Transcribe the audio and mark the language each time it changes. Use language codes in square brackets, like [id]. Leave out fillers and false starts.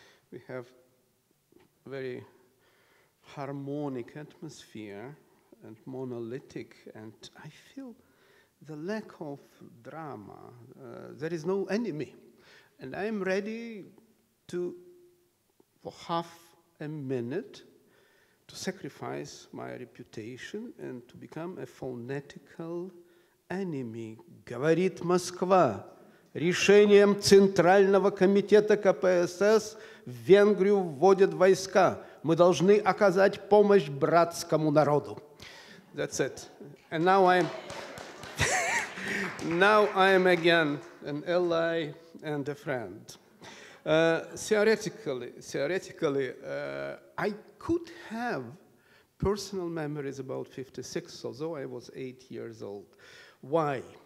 [en] We have a very harmonic atmosphere and monolithic, and I feel the lack of drama. There is no enemy, and I am ready to, for half a minute, to sacrifice my reputation and to become a phonetical enemy. [ru] Говорит Москва. Решением Центрального комитета КПСС в Венгрию вводят войска. Мы должны оказать помощь братскому народу. [en] That's it. And now I'm again an ally and a friend. Theoretically, I could have personal memories about 56, although I was 8 years old. Why?